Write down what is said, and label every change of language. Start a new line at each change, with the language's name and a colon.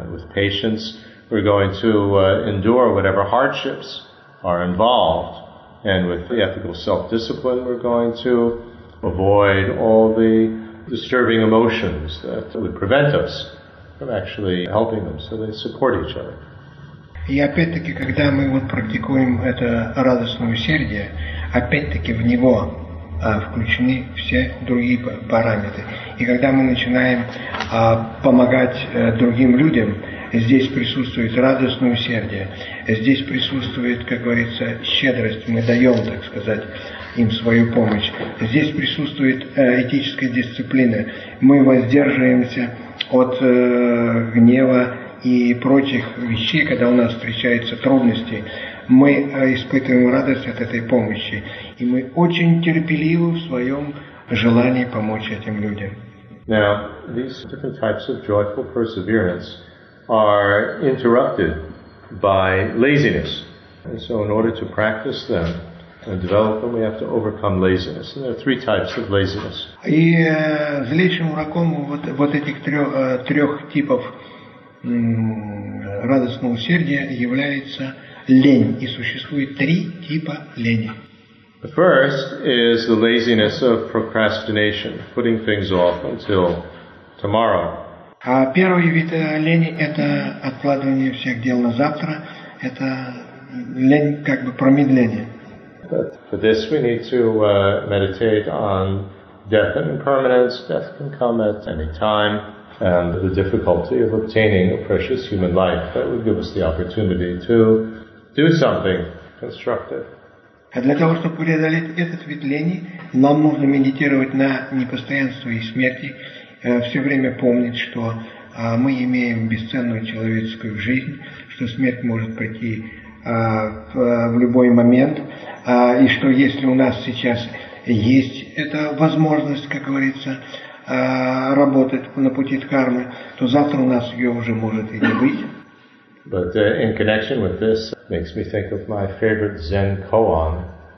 English: And with patience, we're going to endure whatever hardships are involved. And with the ethical self-discipline, we're going to avoid all the disturbing emotions that would prevent us from actually helping them, so they support each other.
Russian: И опять-таки, когда мы вот практикуем это радостное усердие, опять-таки в него включены все другие параметры. И когда мы начинаем помогать другим людям, здесь присутствует радостное усердие, здесь присутствует, как говорится, щедрость, мы даем, так сказать, им свою помощь, здесь присутствует этическая дисциплина, мы воздерживаемся от гнева и прочих вещей, когда у нас встречаются трудности, мы испытываем радость от этой помощи, и мы очень терпеливы в своем желании помочь этим людям.
English: Now, these different types of joyful perseverance are interrupted by laziness. And so in order to practice them and develop them, we have to overcome laziness. And there are three types of laziness.
Russian: И злейшим врагом вот этих трех типов радостного усердия является лень. И существует три типа лени.
English: The first is the laziness of procrastination, putting things off until tomorrow.
Russian: А первый вид лени – это откладывание всех дел на завтра. Это лень, как бы промедление.
English: But for this we need to meditate on death and impermanence. Death can come at any time. And the difficulty of obtaining a precious human life that would give us the opportunity to do something constructive.
Russian: А для того, чтобы преодолеть этот вид лени, нам нужно медитировать на непостоянство и смерти, все время помнить, что мы имеем бесценную человеческую жизнь, что смерть может прийти в любой момент, и что если у нас сейчас есть эта возможность, как говорится, работать на пути дхармы, то завтра у нас ее уже может и не быть.
English: But in connection with this, makes me think of my favorite Zen koan.